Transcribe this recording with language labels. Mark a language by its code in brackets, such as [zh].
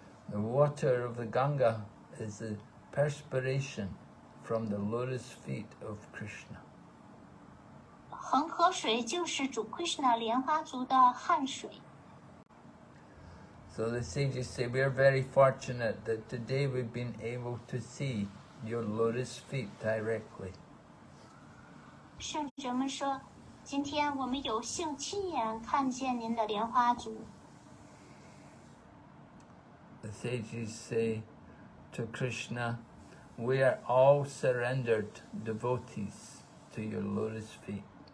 [en] The water of the Ganga is theperspiration from the lotus feet of Krishna. [zh] 恒河水就是主 Krishna 莲花足的汗水。 [en] So the sages say, we are very fortunate that today we've been able to see your lotus feet directly. [zh] 圣者们说，今天我们有幸亲眼看见您的莲花足。 [en] The sages say to Krishna,We are all surrendered devotees to your lotus feet.